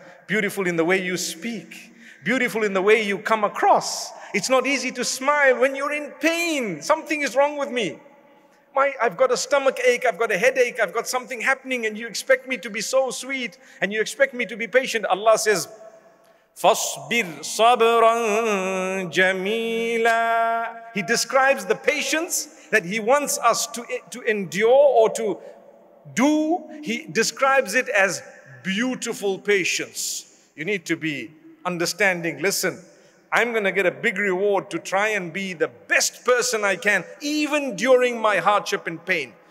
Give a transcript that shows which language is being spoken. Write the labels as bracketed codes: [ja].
[en] Beautiful in the way you speak. Beautiful in the way you come across. It's not easy to smile when you're in pain. Something is wrong with me. I've got a stomach ache, I've got a headache, I've got something happening, and you expect me to be so sweet and you expect me to be patient. Allah says, [ar] فَصْبِرْ صَبْرًا جَمِيلًا. [en] He describes the patience that He wants us to endure or to do. He describes it as beautiful patience. You need to be understanding. Listen, I'm going to get a big reward to try and be the best person I can, even during my hardship and pain.